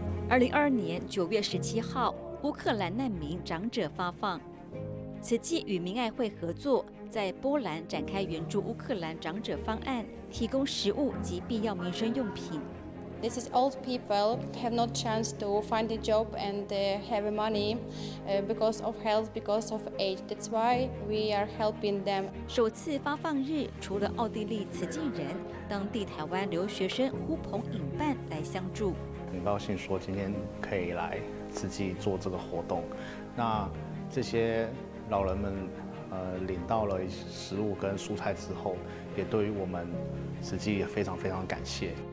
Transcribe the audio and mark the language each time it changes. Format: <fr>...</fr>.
<zh>2022年9月17号，乌克兰难民长者发放，慈济与民爱会合作，在波兰展开援助乌克兰长者方案，提供食物及必要民生用品。</zh> <en>This is old people have no chance to find a job and have money because of health, because of age. That's why we are helping them.</en> <zh>首次发放日，除了奥地利慈济人，当地台湾留学生呼朋引伴来相助。很高兴说今天可以来慈济做这个活动。那这些老人们领到了食物跟蔬菜之后，也对于我们慈济也非常非常感谢。</zh>